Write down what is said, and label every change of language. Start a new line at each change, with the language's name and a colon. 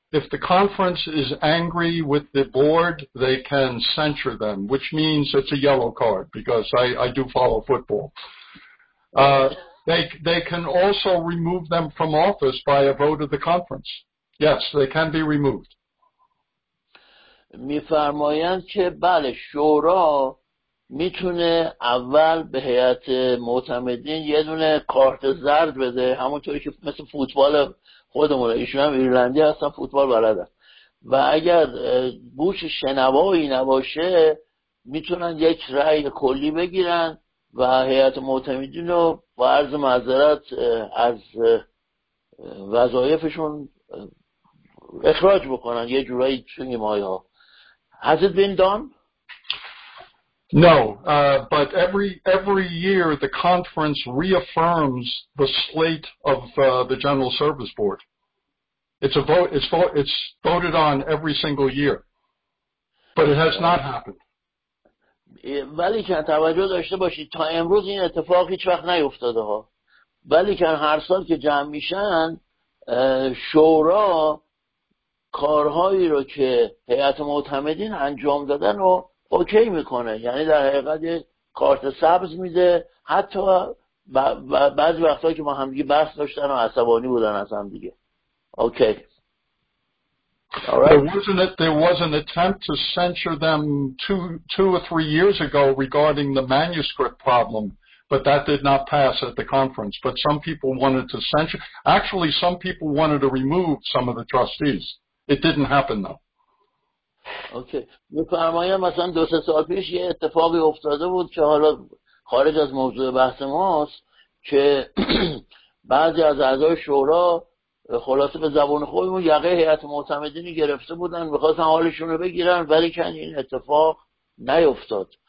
English: If the conference is angry with the board, they can censure them, which means it's a yellow card because I do follow football. They can also remove them from office by a vote of the conference. Yes, they can be removed.
Persian: می فرمایند که بله شورا میتونه اول به هیئت معتمدین یه دونه کارت زرد بده همونطوری که مثل فوتبال خودمونه ایشون هم ایرلندی هستن فوتبال بلدن و اگر گوش شنوایی نباشه میتونن یک رأی کلی بگیرن و هیئت معتمدین رو با عرض معذرت از وظایفشون اخراج بکنن یه جورایی چون مایه ها.
English: Has it been done? No, but every year the conference reaffirms the slate of the General Service Board. It's voted on every single year. But it has not happened.
Persian: ولی که توجه داشته باشید تا امروز این اتفاق هیچ وقت نیفتاده ها. ولی که هر سال که جمع میشن شورا کارهایی رو که هیئت معتمدین انجام دادن رو اوکی میکنه، یعنی در حقیقت کارت سبز میده. حتی بعضی وقتایی که ما هم دیگه بحث داشتن و عصبانی بودن از هم دیگه. اوکی.
English: Right. There was an attempt to censure them two or three years ago regarding the manuscript problem, but that did not pass at the conference. But some people wanted to censure. Actually, some people wanted to remove some of the trustees. It didn't happen, though. Okay.
Persian: می فرمایم مثلا دو سه سال پیش یه اتفاقی افتاده بود که حالا خارج از موضوع بحث ماست که بعضی از اعضای شورا خلاصه به زبان خودمون یقه هیئت معتمدینی گرفته بودن میخواستن حالشون رو بگیرن ولی که این اتفاق نیفتاد.